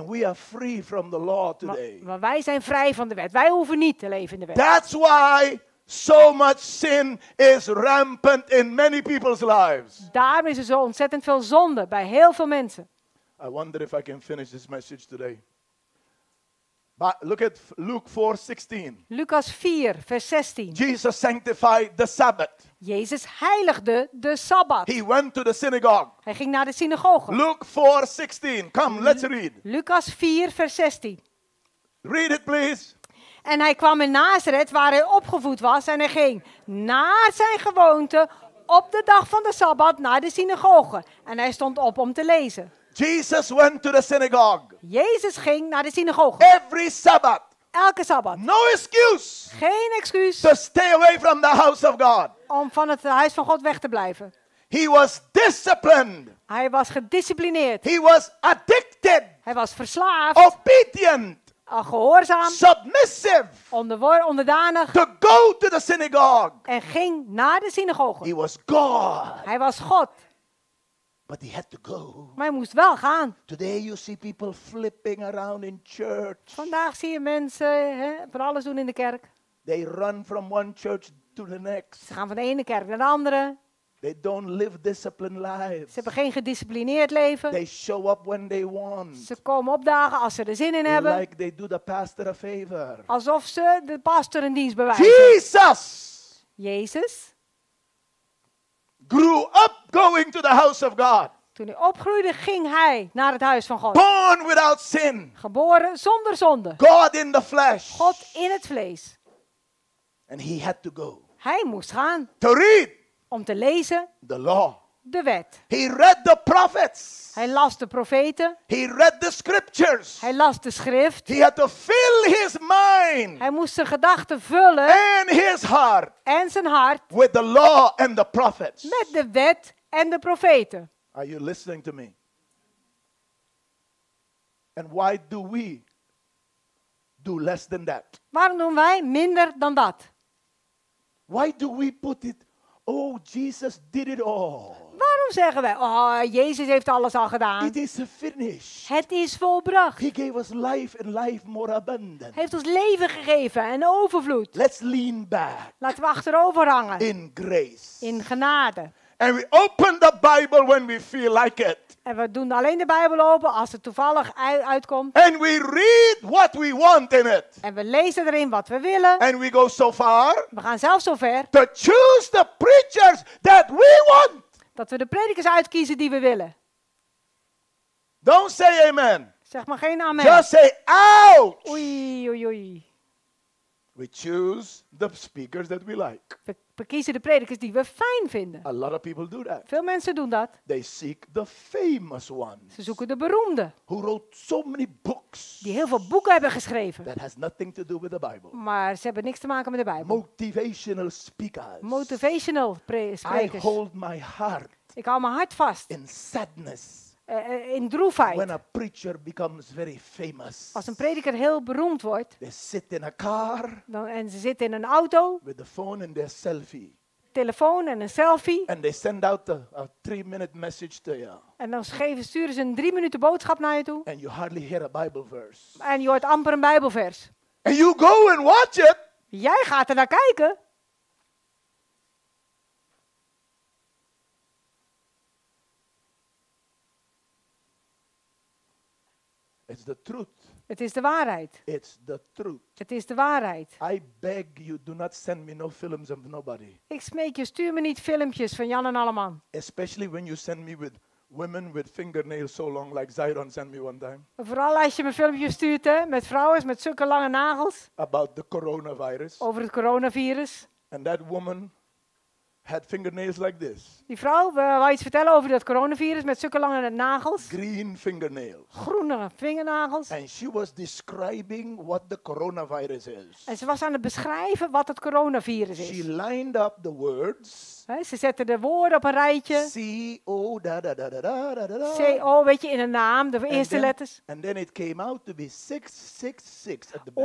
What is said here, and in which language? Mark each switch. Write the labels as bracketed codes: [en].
[en] And we are free from the law today. [nl] Maar wij zijn vrij van de wet. Wij hoeven niet te leven in de wet. [en] That's why so much sin is rampant in many people's lives. [nl] Daarom is er zo ontzettend veel zonde bij heel veel mensen. [en] I wonder if I can finish this message today. But look at Luke 4:16. [nl] Lucas 4, vers 16. [en] Jesus sanctified the Sabbath. [nl] Jezus heiligde de Sabbat. [en] He went to the synagogue. [nl] Hij ging naar de synagoge. [en] Luke 4:16. Come, let's read. [nl] Lucas 4, vers 16. [en] Read it, please. [nl] En hij kwam in Nazareth, waar hij opgevoed was, en hij ging naar zijn gewoonte op de dag van de Sabbat naar de synagoge. En hij stond op om te lezen. [en] Jesus went to the synagogue. [nl] Jezus ging naar de synagoge. [en] Every Sabbath. [nl] Elke Sabbat. [en] No excuse. [nl] Geen excuus. [en] To stay away from the house of God. [nl] Om van het huis van God weg te blijven. [en] He was disciplined. [nl] Hij was gedisciplineerd. [en] He was addicted. [nl] Hij was verslaafd. [en] Obedient. [nl] Gehoorzaam. [en] Submissive. [nl] Onderdanig. [en] To go to the synagogue. [nl] En ging naar de synagoge. [en] He was God. [nl] Hij was God. [en] But he had to go. [nl] Maar hij moest wel gaan. [en] Today you see people flipping around in church. [nl] Vandaag zie je mensen van alles doen in de kerk. [en] They run from one church to the next. [nl] Ze gaan van de ene kerk naar de andere. [en] They don't live disciplined lives. [nl] Ze hebben geen gedisciplineerd leven. [en] They show up when they want. [nl] Ze komen opdagen als ze er zin in hebben. [en] Like they do the pastor a favor. [nl] Alsof ze de pastor een dienst bewijzen. [en] Jesus. [nl] Jezus. [en] Grew up going to the house of God. [nl] Toen hij opgroeide, ging hij naar het huis van God. [en] Born without sin. [nl] Geboren zonder zonde. [en] God in the flesh. [nl] God in het vlees. [en] And he had to go. [nl] Hij moest gaan. [en] To read. [nl] Om te lezen. [en] The law. [nl] De wet. [en] He read the prophets. [nl] Hij las de profeten. [en] He read the scriptures. [nl] Hij las de schrift. [en] He had to fill his mind. [nl] Hij moest zijn gedachten vullen. [en] And his heart. [nl] En zijn hart. [en] With the law and the prophets. [nl] Met de wet en de profeten. [en] Are you listening to me? And why do we do less than that? [nl] Waarom doen wij minder dan dat? [en] Why do we put it? Oh, Jesus did it all. [nl] Waarom zeggen wij, oh, Jezus heeft alles al gedaan. [en] It is finished. [nl] Het is volbracht. [en] He gave us life and life more abundant. [nl] Hij heeft ons leven gegeven en overvloed. [en] Let's lean back. [nl] Laten we achterover hangen. [en] In grace. [nl] In genade. [en] And we open the Bible when we feel like it. [nl] En we doen alleen de Bijbel open als het toevallig uitkomt. [en] And we read what we want in it. [nl] En we lezen erin wat we willen. [en] And we go so far. [nl] We gaan zelf zo ver. [en] To choose the preachers that we want. [nl] Dat we de predikers uitkiezen die we willen. [en] Don't say amen. [nl] Zeg maar geen amen. [en] Just say ouch. [nl] Oei, oei, oei. [en] We choose the speakers that we like. [nl] We kiezen de predikers die we fijn vinden. [en] A lot of people do that. [nl] Veel mensen doen dat. [en] They seek the famous ones. [nl] Ze zoeken de beroemde. [en] Who wrote so many books. [nl] Die heel veel boeken hebben geschreven. [en] That has nothing to do with the Bible. [nl] Maar ze hebben niks te maken met de Bijbel. [en] Motivational speakers. [nl] Motivational sprekers. [en] I hold my heart. [nl] Ik hou mijn hart vast. [en] In sadness. [nl] In droefheid. [en] When a preacher becomes very famous, [nl] als een prediker heel beroemd wordt. [en] They sit in a car, [nl] dan, en ze zitten in een auto. [en] With the phone and their selfie. [nl] Telefoon en een selfie. [en] And they send out a 3-minute message to you. [nl] En dan sturen ze een 3-minuten boodschap naar je toe. [en] And you hardly hear a Bible verse. [nl] En je hoort amper een Bijbelvers. [en] And you go and watch it. [nl] Jij gaat er naar kijken. [en] It's the truth. [nl] Het is de waarheid. [en] It's the truth. [nl] Het is de waarheid. [en] I beg you, do not send me no films of nobody. [nl] Ik smeek je, stuur me niet filmpjes van Jan en Alleman. [en] Especially when you send me with women with fingernails so long, like Zyron sent me one time. [nl] Vooral als je me filmpjes stuurt, hè, met vrouwen met zulke lange nagels. [en] About the coronavirus. [nl] Over het coronavirus. [en] And that woman had fingernails like this. [nl] Die vrouw, wou iets vertellen over dat coronavirus met zulke lange nagels? [en] Green fingernails. [nl] Groene vingernagels. [en] And she was describing what the coronavirus is. [nl] En ze was aan het beschrijven wat het coronavirus is. [en] She lined up the words. [nl] Ze zette de woorden op een rijtje. [en] C-O, da, da, da, da, da, da, da. [nl] C-O, weet je, in een naam, de eerste letters. [en] And then it came out to be 666 at the back.